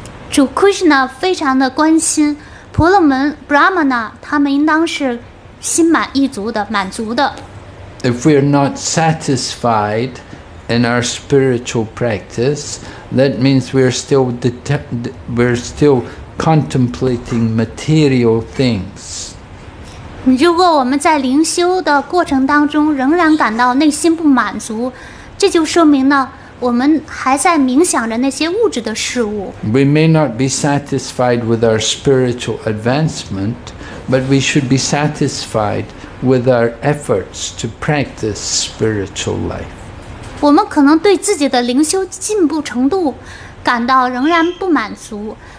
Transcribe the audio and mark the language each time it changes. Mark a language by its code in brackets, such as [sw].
[zh] 主 Krishna 非常的关心婆罗门 Brahmana 他们应当是心满意足的满足的。 [en] If we are not satisfied in our spiritual practice, that means we are still contemplating material things. [zh] 如果我们在灵修的过程当中仍然感到内心不满足，这就说明呢，我们还在冥想着那些物质的事物。 [en] We may not be satisfied with our spiritual advancement, but we should be satisfied with our efforts to practice spiritual life. [zh] 我们可能对自己的灵修进步程度感到仍然不满足。